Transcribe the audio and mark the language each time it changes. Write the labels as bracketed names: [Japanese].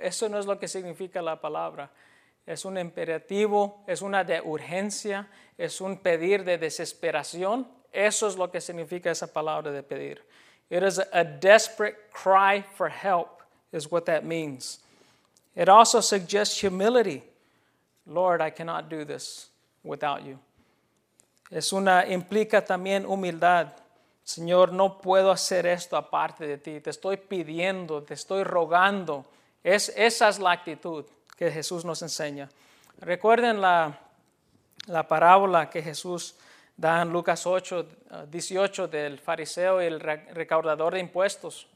[Spanish] Eso no es lo que significa la palabra. Es un imperativo, es una de urgencia, es un pedir de desesperación. Eso es lo que significa esa palabra de pedir. [English] It is a desperate cry for help, is what that means. It also suggests humility. Lord, I cannot do this without you. [Spanish] Es una, implica también humildad. Señor, no puedo hacer esto aparte de ti. Te estoy pidiendo, te estoy rogando. Esa es la actitud que Jesús nos enseña. Recuerden la parábola que Jesús da en Lucas 8, 18 del fariseo y el recaudador de impuestos.